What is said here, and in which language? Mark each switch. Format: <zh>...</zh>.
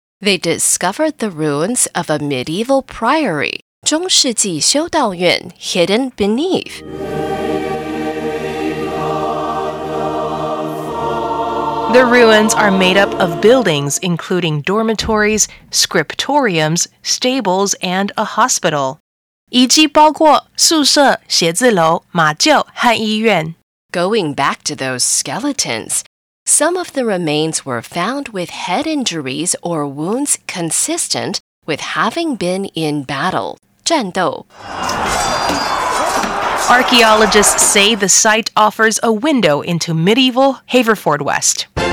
<en>They discovered the ruins of a medieval priory,</en> <zh>中世紀修道院,</zh> <en>hidden beneath. The ruins are made up of buildings including dormitories, scriptoriums, stables, and a hospital.</en> <zh>遗迹包括宿舍、写字楼、马厩和医院。</zh> <en>Going back to those skeletons, some of the remains were found with head injuries or wounds consistent with having been in battle.</en> <zh>战斗。</zh> <en>Archaeologists say the site offers a window into medieval Haverford West.</en>